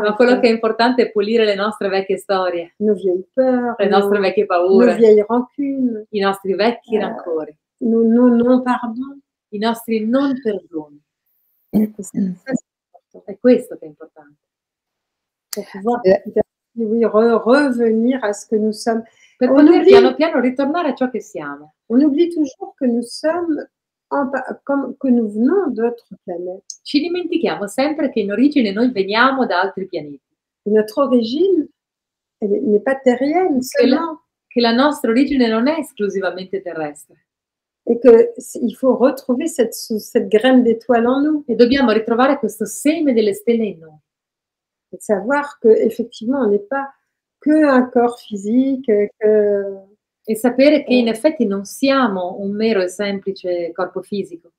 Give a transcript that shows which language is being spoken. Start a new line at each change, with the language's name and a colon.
Italian: Ma quello che è importante è pulire le nostre vecchie storie.
French: Nos vieilles peurs,
Italian: le nostre vecchie paure.
French: Nos vieilles rancunes.
Italian: I nostri vecchi rancori.
French: Non pardon.
Italian: I nostri non perdoni. È questo che è importante.
French: Revenir à ce que nous sommes.
Italian: Per poter piano piano ritornare a ciò che siamo.
French: On oublie toujours que nous sommes que nous venons d'autres planètes.
Italian: Ci dimentichiamo sempre che in origine noi veniamo da altri pianeti.
French: Et notre origine n'est pas terrienne seulement.
Italian: Che la nostra origine non è esclusivamente terrestre.
French: Et que il faut retrouver cette graine d'étoile en nous.
Italian: E dobbiamo ritrovare questo seme delle stelle in noi.
French: Et savoir que effectivement on n'est pas que un corps physique, que
Italian: e sapere che in effetti non siamo un mero e semplice corpo fisico.